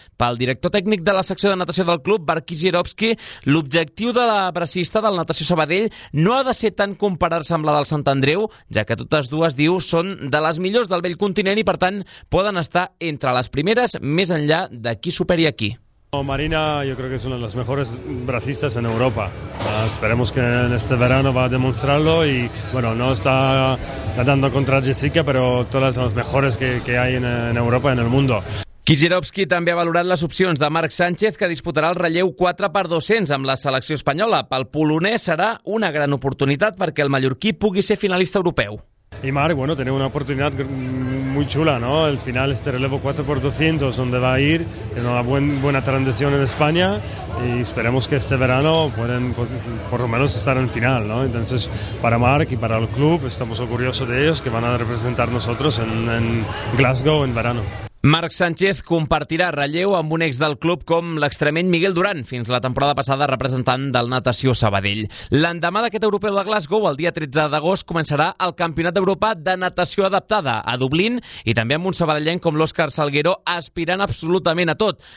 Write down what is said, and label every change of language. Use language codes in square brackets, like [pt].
[ca] Pel director tècnic de la secció de natació del club, Barki Zirovski, l'objectiu de la bracista del Natació Sabadell no ha de ser tant comparar-se amb la del Sant Andreu, ja que totes dues, diu, són de les millors del vell continent i, per tant, poden estar entre les primeres més enllà de qui superi a qui. [es] Marina, yo creo que es una de las mejores bracistas en Europa. Esperemos que en este verano va a demostrarlo y, bueno, no está nadando contra Jessica, pero todas las mejores que hay en Europa y en el mundo. [ca] Kizirovski també ha valorat les opcions de Marc Sánchez, que disputarà el relleu 4x200 amb la selecció espanyola. Pel polonès serà una gran oportunitat perquè el mallorquí pugui ser finalista europeu. [es] I Marc, bueno, [ca] tenim una oportunitat [es] muy chula, ¿no? El final, este relevo 4x200, donde va a ir, tiene una buena transición en España y esperemos que este verano pueden por lo menos estar en final, ¿no? Entonces, para Marc y para el club, estamos orgullosos de ellos, que van a representar nosotros en Glasgow en verano. [ca] Marc Sánchez compartirà relleu amb un ex del club com l'extremeny Miguel Duran, fins la temporada passada representant del Natació Sabadell. L'endemà d'aquest europeu de Glasgow, el dia 13 d'agost, començarà el Campionat d'Europa de Natació Adaptada a Dublín i també amb un sabadellenc com l'Òscar Salguero aspirant absolutament a tot.